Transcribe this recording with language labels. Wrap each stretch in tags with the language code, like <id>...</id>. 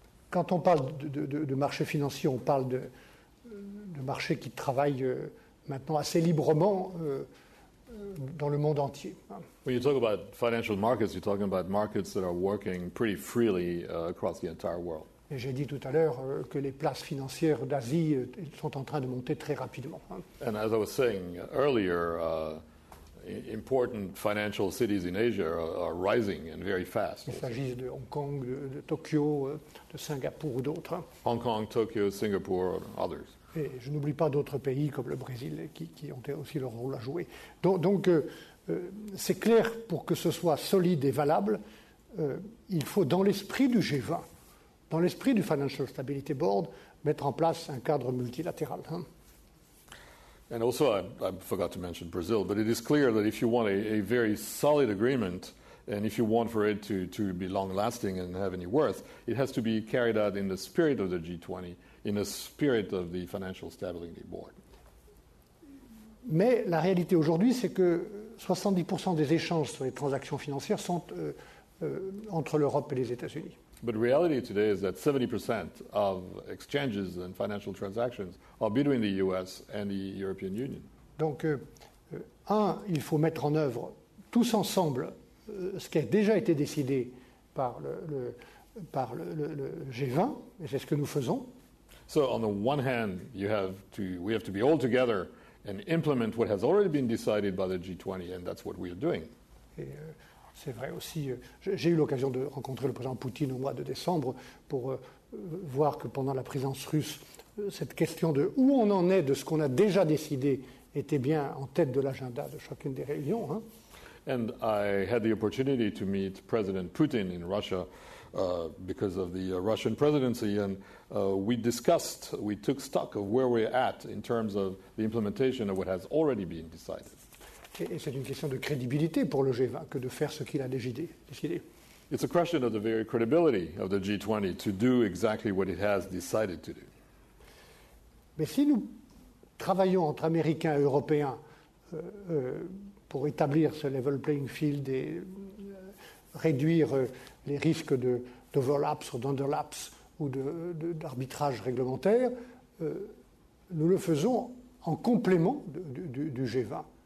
<fr>Quand on parle de marché financier, on parle de marché qui travaille maintenant assez librement dans le monde entier.</fr> <en>When you talk about financial markets, you're talking about markets that are working pretty freely across the entire world.</en> <fr>Et j'ai dit tout à l'heure que les places financières d'Asie sont en train de monter très rapidement.</fr> <en>And as I was saying earlier, important financial cities in Asia are rising and very fast.</en> <fr>Il s'agit de Hong Kong, de Tokyo, de Singapour ou d'autres.</fr> <en>Hong Kong, Tokyo, Singapore, others.</en> <fr>Et je n'oublie pas d'autres pays comme le Brésil qui ont aussi leur rôle à jouer. Donc, c'est clair, pour que ce soit solide et valable, il faut, dans l'esprit du G20, dans l'esprit du Financial Stability Board, mettre en place un cadre multilatéral. Hein.</fr> <en>And also, I forgot to mention Brazil, but it is clear that if you want a very solid agreement, and if you want for it to be long-lasting and have any worth, it has to be carried out in the spirit of the G20, in the spirit of the Financial Stability Board.</en> <fr>Mais la réalité aujourd'hui, c'est que 70% des échanges sur les transactions financières sont entre l'Europe et les États-Unis.</fr> <en>But reality today is that 70% of exchanges and financial transactions are between the US and the European Union.</en> <fr>Donc, il faut mettre en œuvre tous ensemble ce qui a déjà été décidé par le G20, et c'est ce que nous faisons.</fr> <en>So on the one hand, we have to be all together and implement what has already been decided by the G20, and that's what we are doing.</en> <fr>C'est vrai aussi. J'ai eu l'occasion de rencontrer le président Poutine au mois de décembre pour voir que pendant la présidence russe, cette question de où on en est de ce qu'on a déjà décidé était bien en tête de l'agenda de chacune des réunions. Hein.</fr> <en>And I had the opportunity to meet President Putin in Russia because of the Russian presidency, and we took stock of where we're at in terms of the implementation of what has already been decided.</en> <fr>Et c'est une question de crédibilité pour le G20 que de faire ce qu'il a décidé.</fr> <en>It's a question of the very credibility of the G20 to do exactly what it has decided to do.</en> <fr>Mais si nous travaillons entre Américains et Européens pour établir ce level playing field et réduire les risques d'overlaps ou d'underlaps ou d'arbitrage réglementaire, nous le faisons en complément du G20.</fr>